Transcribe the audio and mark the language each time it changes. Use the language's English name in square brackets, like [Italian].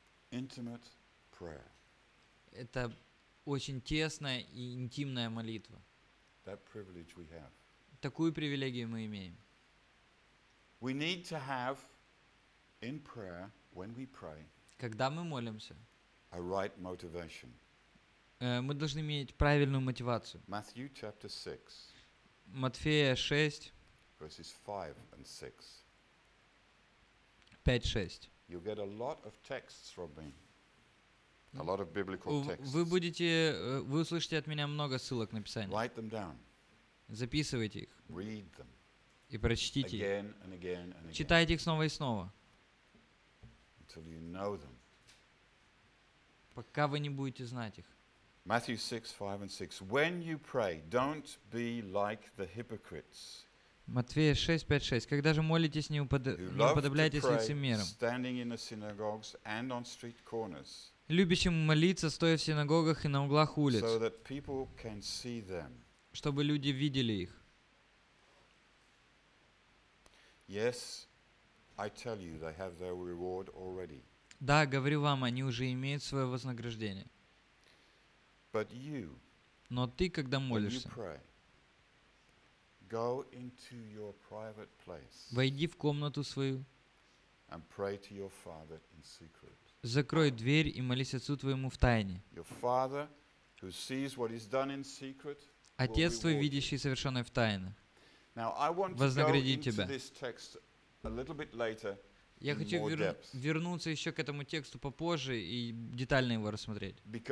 [English] Intimate prayer. [Russian] Это очень тесная и интимная молитва. [English] That privilege we have. [Russian] Такую привилегию мы имеем. [English] We need to have in prayer when we pray. [Russian] Когда мы молимся. [English] A right motivation. [Russian] Мы должны иметь правильную мотивацию. [English] Matthew chapter 6. [Russian] Матфея 6. [English] Verses 5 and 6. [Russian] 5-6. [English] You get a lot of texts from me. A lot of biblical texts. [Russian] Вы услышите от меня много ссылок на Писание. [English] Write them down. [Russian] Записывайте их. [English] Read them. [Russian] И прочтите их. [English] Again and again and again. [Russian] Читайте их снова и снова. [English] Until you know them. [Russian] Пока вы не будете знать их. [English] Matthew 6, 5 and 6. When you pray, don't be like the hypocrites. [Russian] Матфея 6, 5, 6. Когда же молитесь, не уподобляйтесь лицемерам. [English] Standing in the synagogues and on street corners. [Russian] Любящим молиться, стоя в синагогах и на углах улиц. [English] So that people can see them. [Russian] Чтобы люди видели их. [English] Yes, I tell you, they have their reward already. [Russian] Да, говорю вам, они уже имеют свое вознаграждение. [English] But you. [Russian] Но ты, когда молишься, [English] pray, go into your private place, [Russian] войди в комнату свою, [English] and pray to your father in secret. [Russian] Закрой дверь и молись Отцу твоему в тайне. [English] Your father, who sees what is done in secret, [Russian] Отец твой, видящий совершенное в тайне, вознаградит тебя. [English] This text a little bit later. [Russian] Я хочу вернуться еще к этому тексту попозже и детально его рассмотреть.